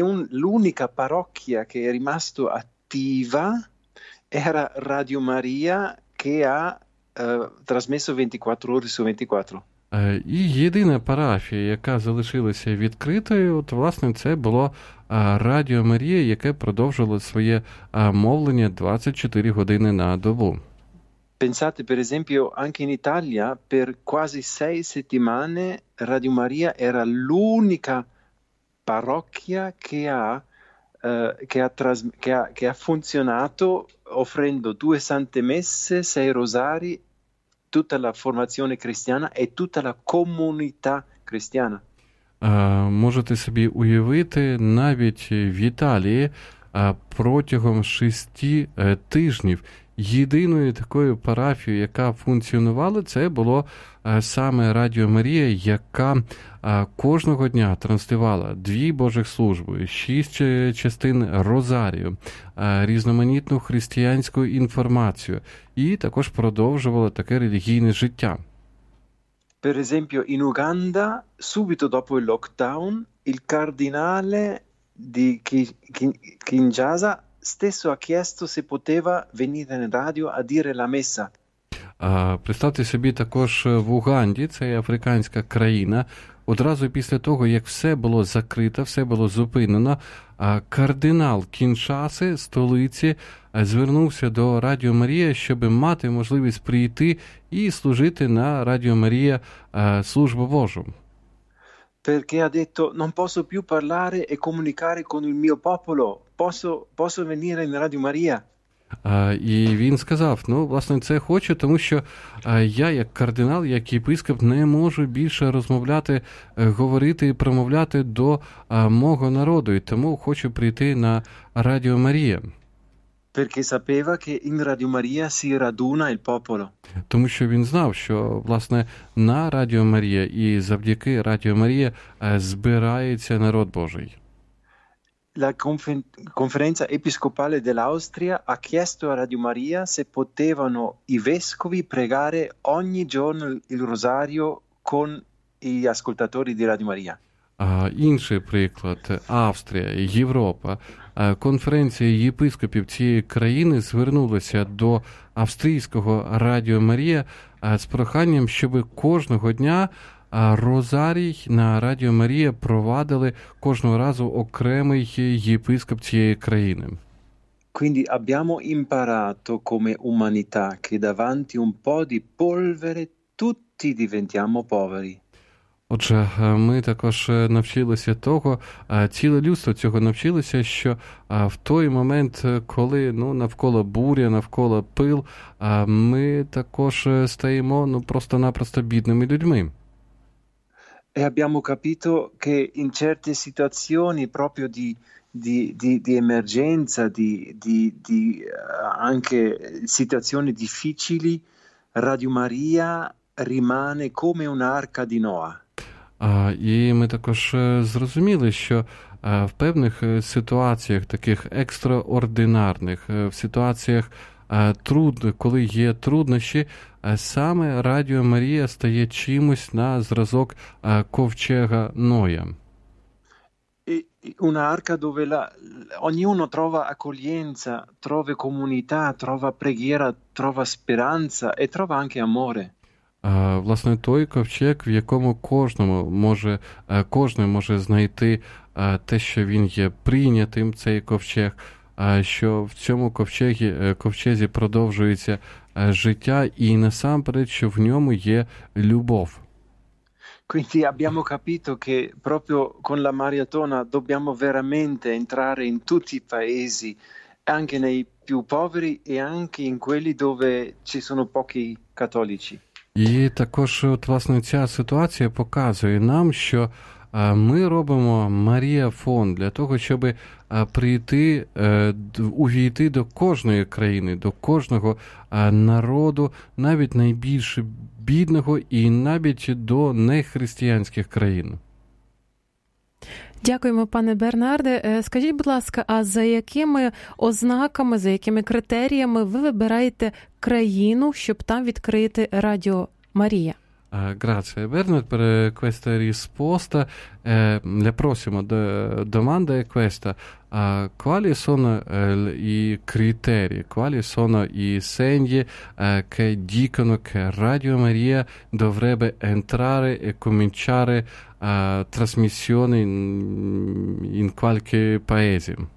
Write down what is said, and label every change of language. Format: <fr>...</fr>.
<it>L'unica parrocchia che è rimasta attiva era Radio Maria che ha trasmesso 24 ore su 24.</it> <uk>І єдина парафія, яка залишилася відкритою, от, власне, це було Радіо Марія, яке продовжило своє мовлення 24 години на добу.</uk> <it>Pensate, per esempio, anche in Italia, per quasi 6 settimane, Radio Maria era l'unica parrocchia che ha funzionato offrendo 2 sante messe, 6 rosari, tutta la formazione cristiana e tutta la comunità cristiana.</it> <uk>Можете собі уявити, навіть в Італії протягом 6 тижнів єдиною такою парафією, яка функціонувала, це було саме Радіо Марія, яка кожного дня транслювала 2 божих служби, 6 частин розарію, різноманітну християнську інформацію і також продовжувала таке релігійне життя.</uk> <it>Per esempio, in Uganda, subito dopo il lockdown, il cardinale di Kinshasa stesso ha chiesto se poteva venire in radio a dire la messa.</it> <uk>Представте собі також в Уганді, це африканська країна, одразу після того, як все було закрито, все було зупинено, кардинал Кіншаси, столиці, звернувся до Радіо Марія, щоб мати можливість прийти і служити на Радіо Марія, службу Божу.</uk> <it>Perché ha detto: non posso più parlare e comunicare con il mio popolo, posso venire in Radio Maria?</it> <uk>І він сказав: ну, власне, це хочу, тому що я, як кардинал, як єпископ, не можу більше розмовляти, говорити і промовляти до мого народу, і тому хочу прийти на Радіо Марія.</uk> <it>Perché sapeva che in Radio Maria si raduna il popolo.</it> <uk>Тому що він знав, що власне на Радіо Марія і завдяки Радіо Марія збирається народ Божий.</uk> <it>La conferenza episcopale dell'Austria ha chiesto a Radio Maria se potevano i vescovi pregare ogni giorno il rosario con gli ascoltatori di Radio Maria.</it> <uk>Інший приклад: Австрія, Європа. Конференція єпископів цієї країни звернулася до австрійського Радіо Марія з проханням, щоб кожного дня розарій на Радіо Марія провадили кожного разу окремий єпископ цієї країни.</uk> <it>Quindi abbiamo imparato come umanità che davanti a un po' di polvere tutti diventiamo poveri.</it> <uk>Отже, ми також навчилися того, ціле людство цього навчилося, що в той момент, коли ну, навколо буря, навколо пил, ми також стаємо ну, просто-напросто бідними людьми.</uk> <it>E abbiamo capito che in certe situazioni proprio di emergenza, di anche situazioni difficili, Radio Maria rimane come un'arca di Noa.</it> <uk>І ми також зрозуміли, що в певних ситуаціях, таких екстраординарних, в ситуаціях трудних, коли є труднощі, саме Радіо Марія стає чимось на зразок ковчега Ноя.</uk> <it>Un'arca dove ognuno trova accoglienza, trova comunità, trova preghiera, trova speranza e trova anche amore.</it> <uk>Власне, той ковчег, в якому кожен може знайти те, що він є прийнятим, цей ковчег, що в цьому ковчезі продовжується життя, і насамперед, що в ньому є любов.</uk> <it>Quindi abbiamo capito che proprio con la maratona dobbiamo veramente entrare in tutti i paesi, anche nei più poveri e anche in quelli dove ci sono pochi cattolici.</it> <uk>І також, от, власне, ця ситуація показує нам, що ми робимо Маріафон для того, щоб прийти, увійти до кожної країни, до кожного народу, навіть найбільш бідного і навіть до нехристиянських країн. Дякуємо, пане Бернарде. Скажіть, будь ласка, а за якими ознаками, за якими критеріями ви вибираєте країну, щоб там відкрити Радіо Марія?</uk> <it>Grazie, Bernard, per questa risposta. Le prossime domande è questa: quali sono i criteri, quali sono i segni che dicono che Radio Maria dovrebbe entrare e cominciare trasmissioni in qualche paese?</it>